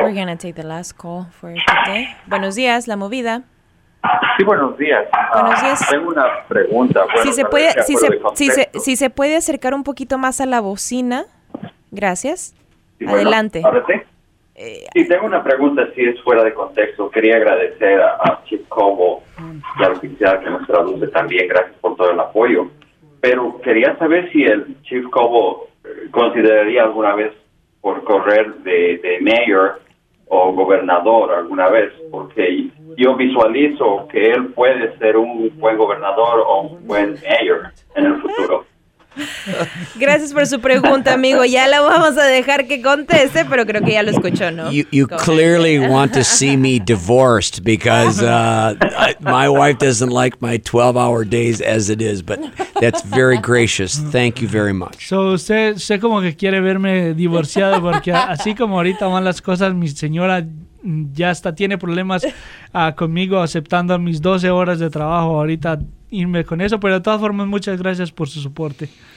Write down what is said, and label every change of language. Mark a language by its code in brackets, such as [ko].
[en] We're going to take the last call for today. [es] Buenos días, La Movida. Sí, buenos días. Buenos días. Tengo una pregunta. Bueno, si se puede acercar un poquito más a la bocina. Gracias. Sí, bueno, adelante. Sí, tengo una pregunta, si es fuera de contexto. Quería agradecer a Chip Cobo y a la oficial que nos traduce también. Gracias por todo el apoyo. Pero quería saber si el Chief Cobo consideraría alguna vez por correr de mayor o gobernador alguna vez, porque yo visualizo que él puede ser un buen gobernador o un buen mayor en el futuro. Gracias por su pregunta, amigo. Ya la vamos a dejar que conteste, pero creo que ya lo escuchó, ¿no? [en] You clearly want to see me divorced because my wife doesn't like my 12-hour days as it is, but that's very gracious. Thank you very much. [es] So, usted como que quiere verme divorciado porque así como ahorita van las cosas, mi señora ya hasta tiene problemas conmigo aceptando mis 12 horas de trabajo ahorita. Irme con eso, pero de todas formas, muchas gracias por su soporte.